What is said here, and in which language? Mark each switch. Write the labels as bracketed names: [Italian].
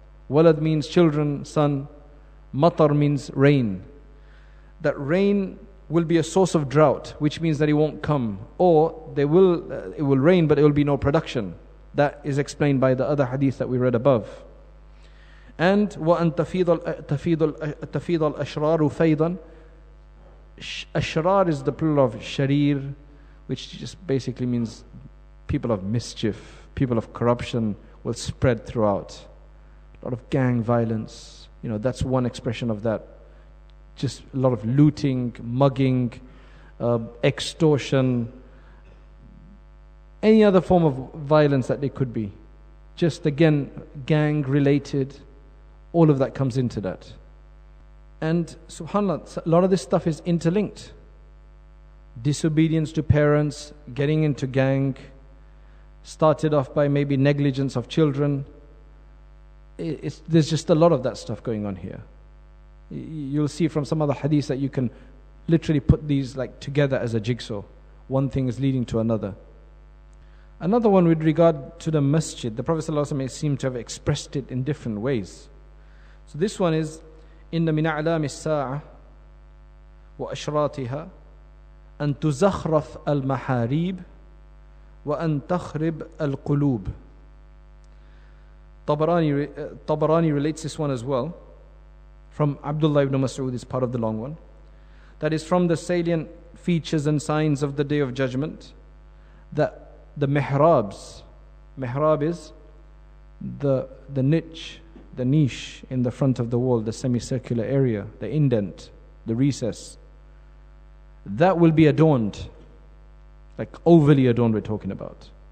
[English] Walad means children, son. Matar means rain. That rain will be a source of drought, which means that it won't come. Or it will rain, but it will be no production. That is explained by the other hadith that we read above. [Arabic] And وَأَنْ تَفِيدُ الْأَشْرَارُ فَيْضًا. [English] Ashrar is the plural of sharir, which just basically means people of mischief, people of corruption will spread throughout. A lot of gang violence, you know, that's one expression of that. Just a lot of looting, mugging, extortion, any other form of violence that there could be. Just again, gang related, all of that comes into that. And subhanAllah, a lot of this stuff is interlinked. Disobedience to parents, getting into gang, started off by maybe negligence of children. There's just a lot of that stuff going on here. You'll see from some other hadiths that you can literally put these like together as a jigsaw. One thing is leading to another. Another one with regard to the masjid, the Prophet ﷺ may seem to have expressed it in different ways. So this one is, [Arabic] إِنَّ مِنْ أَعْلَامِ السَّاعَةِ وَأَشْرَاتِهَا أَنْ تُزَخْرَفَ الْمَحَارِيبِ وَأَنْ تَخْرِبَ الْقُلُوبِ. [English] Tabarani relates this one as well from Abdullah ibn Mas'ud, is part of the long one. That is from the salient features and signs of the Day of Judgment that the mihrab is the niche, the niche in the front of the wall, the semicircular area, the indent, the recess, that will be adorned, like overly adorned we're talking about.